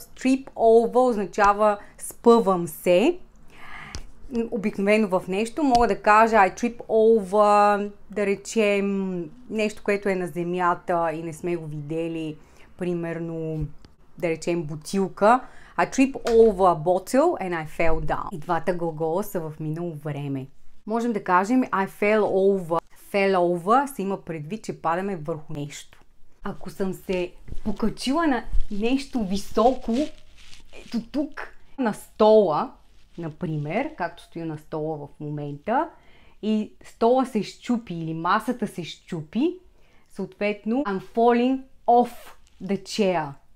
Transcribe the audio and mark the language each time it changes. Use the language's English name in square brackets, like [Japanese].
[Bulgarian] Trip over означава спъвам се. Обикновено в нещо мога да кажа [English] I trip over, [Bulgarian] да речем нещо, което е на земята и не сме го видели, примерно, да речем бутилка. [English] I trip over a bottle and I fell down. [Bulgarian] И двата глагола са в минало време. Можем да кажем [English] I fell over. [Bulgarian] Fell over се има предвид, че падаме върху нещо. Ако съм се покачила на нещо високо, ето тук, на стола, например, както стои на стола в момента, и стола се щупи или масата се щупи, съответно [English] I'm falling off the chair.